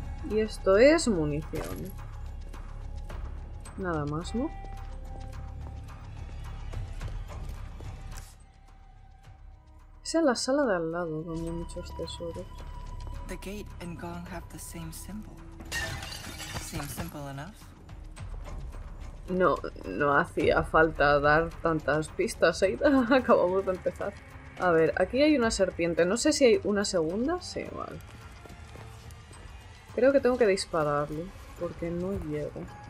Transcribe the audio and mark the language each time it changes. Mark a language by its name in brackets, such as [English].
[Spanish] Y esto es munición. Nada más, ¿no? Es en la sala de al lado donde hay muchos tesoros. [English] The gate and gong have the same symbol. Seems simple enough. [Spanish] No, no hacía falta dar tantas pistas, Ada. Acabamos de empezar. A ver, aquí hay una serpiente. No sé si hay una segunda. Sí, vale. Creo que tengo que dispararle, porque no llego.